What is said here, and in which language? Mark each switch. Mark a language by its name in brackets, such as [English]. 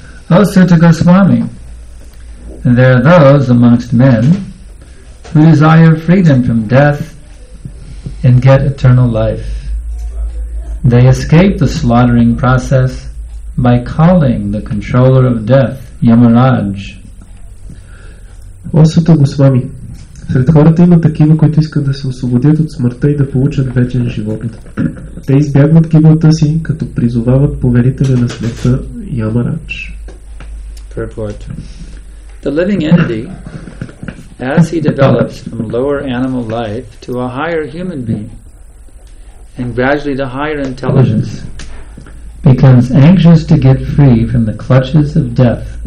[English] O Suta Goswami, there are those amongst men who desire freedom from death and get eternal life. They escape the slaughtering process by calling the controller of death, Yamaraj. [Bulgarian] О Сута Госвами, сред хората има такива, които искат да се освободят от смъртта и да получат вечен живот. Те избягват гибелта си, като призовават повелителя на смъртта, Yamaraj. [English] Purport. The living entity, as he develops from lower animal life to a higher human being, and gradually the higher intelligence becomes anxious to get free from the clutches of death.